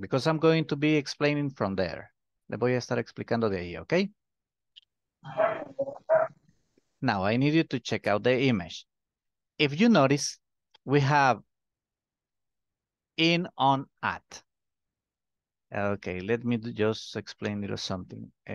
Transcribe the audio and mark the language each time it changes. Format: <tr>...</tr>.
<es>Because I'm going to be explaining from there. Le voy a estar explicando de ahí, okay?</es> <en>Now, I need you to check out the image. If you notice, we have in, on, at. Okay, let me just explain you something.</en>